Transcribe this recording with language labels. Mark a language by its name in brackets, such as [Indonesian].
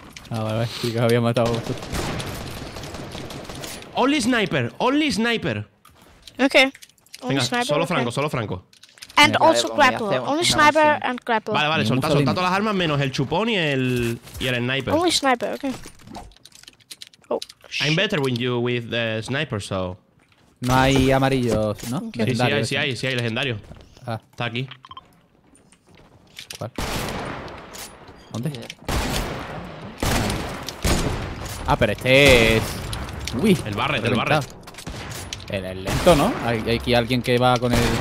[Spanish] Ah, vale, vale, sí, que lo había matado vosotros. [English] Only sniper, only sniper. Ok. [Spanish] Venga, sniper, solo franco, okay. Solo franco. [English] And also grapple. Only sniper and grapple. [Spanish] Vale, vale, solta, solta todas las armas menos el chupón y el sniper. [English] Only sniper, ok. Oh, I'm better with you with the sniper, so. [Spanish] No hay amarillos, ¿no? [English] Okay. [Spanish] Sí, sí, hay, sí, hay, sí hay legendario. Ah. Está aquí. ¿Cuál? ¿Dónde? Ah, pero este es. Uy. El Barret, el Barret. El lento, ¿no? Hay aquí alguien que va con el.